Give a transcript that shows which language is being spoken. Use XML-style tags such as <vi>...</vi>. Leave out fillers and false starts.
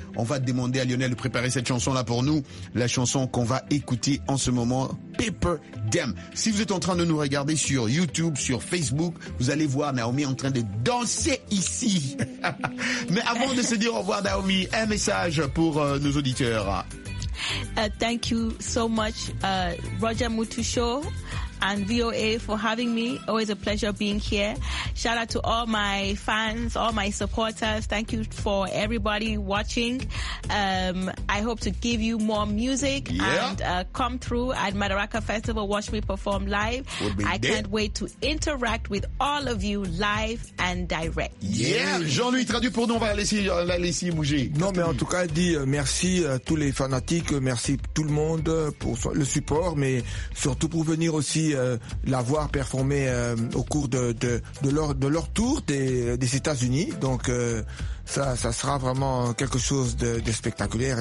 <fr>On va demander à Lionel de préparer cette chanson-là pour nous. La chanson qu'on va écouter en ce moment, Paper Dem. Si vous êtes en train de nous regarder sur YouTube, sur Facebook, vous allez voir Naomi en train de danser ici. Mais avant de se dire au revoir, Naomi, un message pour nos auditeurs.</fr> <en>Thank you so much, Roger Mutu Show and VOA for having me. Always a pleasure being here. Shout out to all my fans, all my supporters. Thank you for everybody watching. I hope to give you more music and come through at Madaraka Festival. Watch me perform live. I can't wait to interact with all of you live and direct.</en> <fr>Yeah, Jean-Louis, traduit pour nous. On va la laisser bouger. Non, mais en tout cas, dis merci à tous les fanatiques. Merci tout le monde pour le support, mais surtout pour venir aussi la voir performer au cours de leur tour des États-Unis. Donc ça sera vraiment quelque chose de spectaculaire.</fr>